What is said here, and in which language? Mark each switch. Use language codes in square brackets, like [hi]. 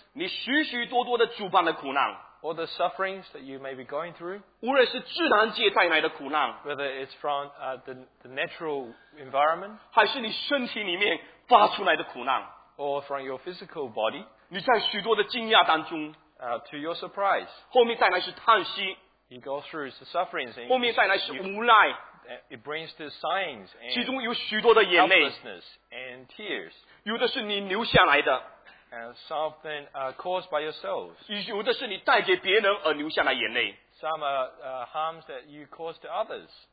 [zh] 你许许多多的主办的苦难 [en] all the sufferings that you may be going through, [zh] 无论是自然界带来的苦难 [en] whether it's from the natural environment, [zh] 还是你身体里面发出来的苦难 [en] or from your physical body, [zh] 你在许多的惊讶当中 [en] to your surprise, [zh] 后面带来是叹息 [en] you go through the sufferings, [zh] 后面带来是无奈 [en] It brings the signs and [zh] 其中有许多的眼泪 [en] helplessness and tears. [zh] 有的是你流下来的 [en] and some of them are caused by yourselves. [zh] 有的是你带给别人而流下来眼泪 [en] Some are harms that you cause to others.